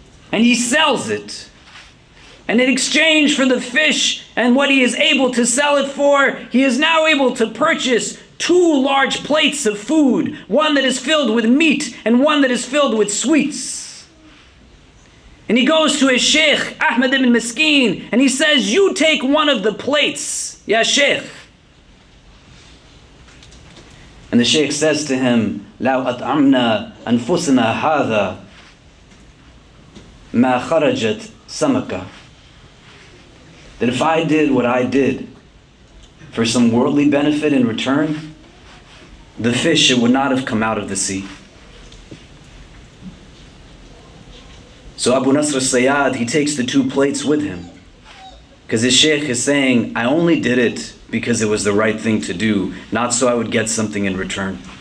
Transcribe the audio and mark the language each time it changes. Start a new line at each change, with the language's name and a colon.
English: And he sells it. And in exchange for the fish and what he is able to sell it for, he is now able to purchase two large plates of food, one that is filled with meat and one that is filled with sweets. And he goes to his sheikh, Ahmad ibn Miskin, and he says, you take one of the plates, ya sheikh. And the Shaykh says to him,
Arabic: لَوْ أَطْعَمْنَا أَنفُسَنَا هَذَا مَا خَرَجَتْ سَمَكَ.
English: That if I did what I did for some worldly benefit in return, the fish, it would not have come out of the sea. So Abu Nasr al-Sayyad, he takes the two plates with him. Because his Shaykh is saying, I only did it because it was the right thing to do, not so I would get something in return.